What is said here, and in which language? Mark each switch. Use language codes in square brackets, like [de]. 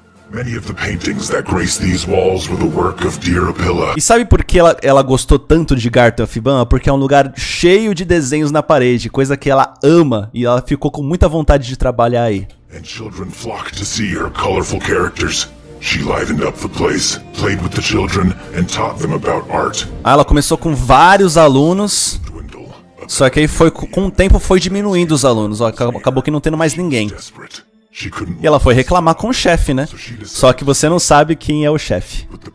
[en] Many of the paintings that grace these walls were the work of Dear Apilla. [pt] E sabe por que ela gostou tanto de Garden of Bamba? Porque é um lugar cheio de desenhos na parede, coisa que ela ama, e ela ficou com muita vontade de trabalhar aí. [en] And children flocked to see her colorful characters. She livened up the place, played with the children and taught them about art. [pt] Aí ela começou com vários alunos. Só que aí foi, com o tempo foi diminuindo os alunos, ó, acabou que não tendo mais ninguém. E ela foi reclamar com o chefe, né? Só que você não sabe quem é o chefe.